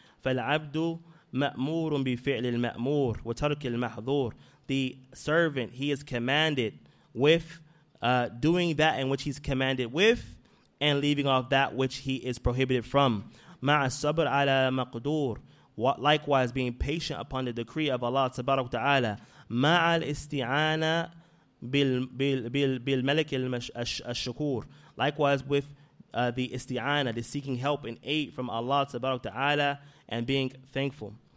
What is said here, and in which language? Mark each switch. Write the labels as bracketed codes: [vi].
[ar] فَالْعَبْدُ مَأْمُورٌ بِفِعْلِ الْمَأْمُورِ وَتَرْكِ الْمَحْذُورِ. [en] The servant, he is commanded with doing that in which he's commanded with and leaving off that which he is prohibited from. [ar] مَعَ الصَّبْرِ عَلَى مَقْدُورِ. [en] Likewise, being patient upon the decree of Allah Tabarak Ta'ala. [ar] مَعَ الْإِسْتِعَانَةِ بِالْمَلِكِ الْشُكُورِ. [en] Likewise, with the isti'ana, the seeking help and aid from Allah subhanahu wa ta'ala, and being thankful.